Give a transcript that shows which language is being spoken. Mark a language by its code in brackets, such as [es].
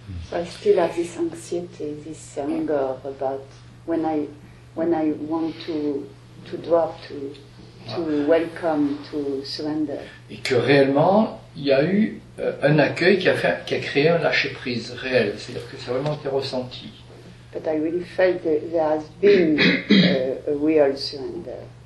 [en] So I still have this anxiety, this anger about when I want to drop, to welcome, to surrender. [fr] Et que réellement, il y a eu un accueil qui a créé un lâcher prise réel, c'est-à-dire que ça a vraiment été ressenti. [en] But I really felt that there has been a real surrender.